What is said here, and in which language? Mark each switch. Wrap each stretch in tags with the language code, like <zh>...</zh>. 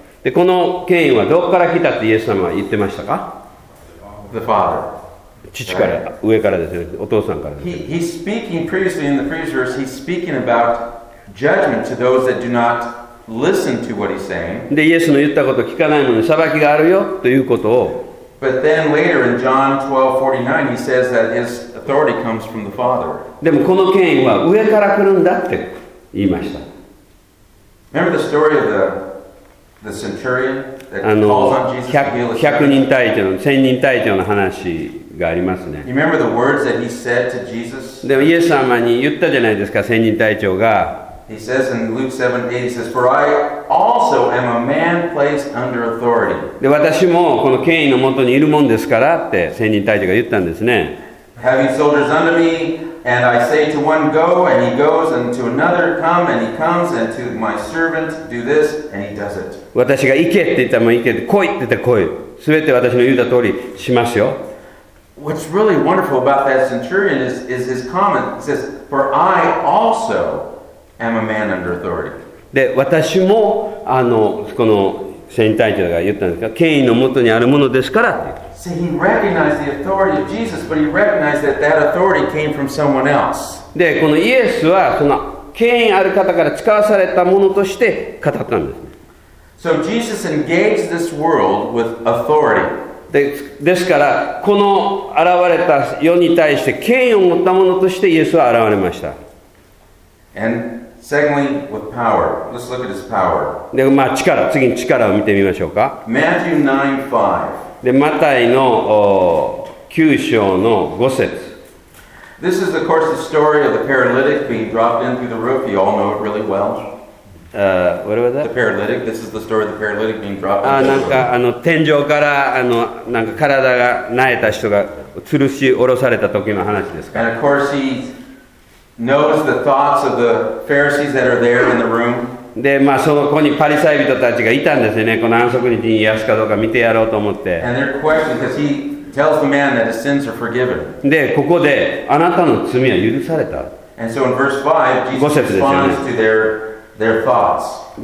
<ja>でこの権威はどこから来たってイエス様は言ってましたか</ja> <en>The Father.</en> <ja>父から、right. 上からですね、お父さんからですね。</ja> <en>He's speaking previously in the previous verse, he's speaking about judgment to those that do not listen to what he's saying.</en> <ja>で、イエスの言ったことを聞かないものに裁きがあるよということを。</ja> <en>But then later in John 12:49, he says that his authority comes from the Father.</en> <ja>でもこの権威は上から来るんだって言いました。</ja> <en>Remember the story of the centurion that calls on Jesus to heal his servant.</en> <ja>100人隊長の話がありますね。</ja> <en>You remember the words that he said to Jesus?</en> <ja>でもイエス様に言ったじゃないですか、千人隊長が。</ja> <en>He says in Luke 7:8, he says, For I also am a man placed under authority.</en> <ja>で私もこの権威のもとにいるもんですからって千人隊長が言ったんですね。</ja> <en>Having soldiers under me, and I say to one, go, and he goes, and to another, come, and he comes, and to my servant, do this, and he does it.</en> <ja>私が行けって言ったらもう行けって、来いって言ったら来い。すべて私の言うた通りしますよ。</ja> <en>What's really wonderful about that centurion is his comment. He says, for I also am a man under authority.</en> <ja>で、私も、この千人隊長が言ったんですが、権威のもとにあるものですからって。</ja> <en>See, he recognized the authority of Jesus, but he recognized that that authority came from someone else.</en> <ja>で、このイエスはその権威ある方から使わされたものとして語ったんです。</ja> <en>So Jesus engaged this world with authority.</en> <ja>で、ですからこの現れた世に対して権威を持ったものとしてイエスは現れました。</ja> <en>And secondly, with power. Let's look at his power.</en> <ja>で、まあ力、次に力を見てみましょうか。</ja> <en>Matthew 9:5.</en> <ja>でマタイの9章の5節。</ja> <en>This is of course the story of the paralytic being dropped in through the roof. You all know it really well. What was that? The paralytic. This is the story of the paralytic being dropped in through the roof.</en> <ja>なんか天井からなんか体がなえた人が吊るし下ろされた時の話ですか。</ja> <en>And of course he knows the thoughts of the Pharisees that are there in the room.</en> <ja>でまあ、そこにパリサイ人たちがいたんですよね。この安息日に癒すかどうか見てやろうと思って。で、ここで、あなたの罪は許された。 5節ですよね。</ja>